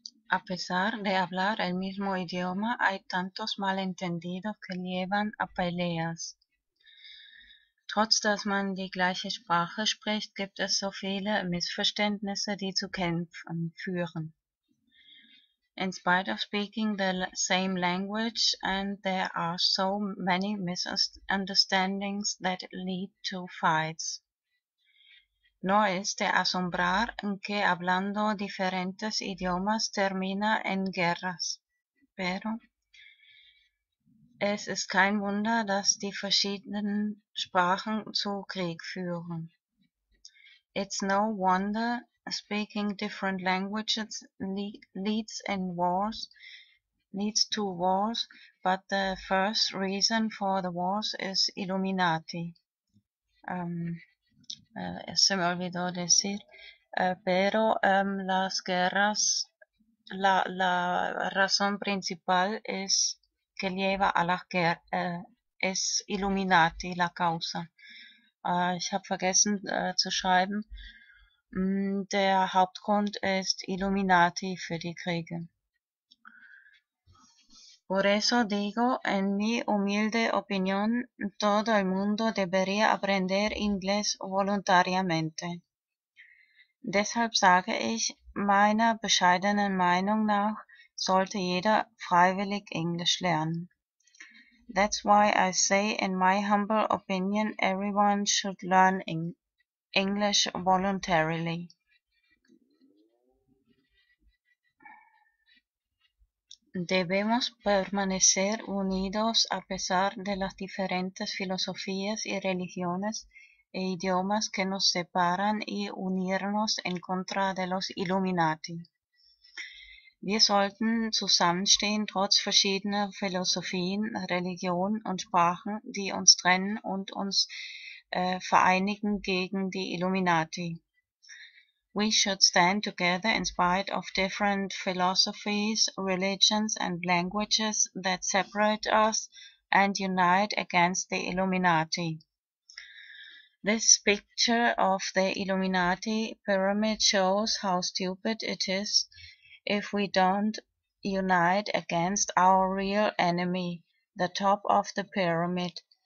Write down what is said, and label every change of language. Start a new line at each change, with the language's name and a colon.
Spanish: A pesar de hablar el mismo idioma, hay tantos malentendidos que llevan a peleas.
German: Trotz dass man die gleiche Sprache spricht, gibt es so viele Missverständnisse, die zu Kämpfen führen.
English: In spite of speaking the same language, and there are so many misunderstandings that lead to fights.
Spanish: No es de asombrar en que hablando diferentes idiomas termina en guerras, pero
German: es ist kein Wunder, dass die verschiedenen Sprachen zu Krieg führen.
English: It's no wonder speaking different languages leads to wars, but the first reason for the wars is Illuminati.
Spanish: Se me olvidó decir, pero las guerras, la razón principal es que lleva a las guerras, es Illuminati la causa.
German: Ich habe vergessen zu schreiben. Der Hauptgrund ist Illuminati für die Kriege.
Spanish: Por eso digo, en mi humilde opinión, todo el mundo debería aprender inglés voluntariamente.
German: Deshalb sage ich, meiner bescheidenen Meinung nach, sollte jeder freiwillig Englisch lernen.
English: That's why I say, in my humble opinion, everyone should learn English voluntarily.
Spanish: Debemos permanecer unidos a pesar de las diferentes filosofías y religiones e idiomas que nos separan y unirnos en contra de los Illuminati.
German: Wir sollten zusammenstehen trotz verschiedener Philosophien, Religionen und Sprachen, die uns trennen und uns vereinigen gegen die Illuminati.
English: We should stand together in spite of different philosophies, religions and languages that separate us and unite against the Illuminati. This picture of the Illuminati pyramid shows how stupid it is if we don't unite against our real enemy, the top of the pyramid.